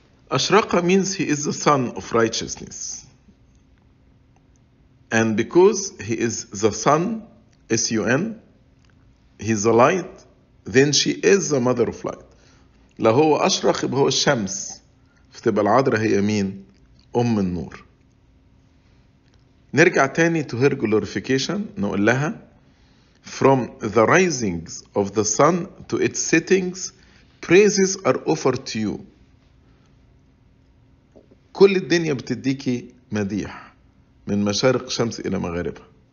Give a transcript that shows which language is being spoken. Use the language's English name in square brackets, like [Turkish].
[English] أشرق means he is the son of righteousness. And because he is the son, S-U-N, he is the light, then she is the mother of light. [Arabic] لهو أشرق بهو الشمس. فتبقى العذراء هي مين؟ أم النور. نرجع تاني [English] to her glorification. [Arabic] نقول لها [English] from the risings of the sun to its settings praises are offered to you. [Arabic] كل الدنيا بتديكي مديح من مشارق شمس إلى مغاربها.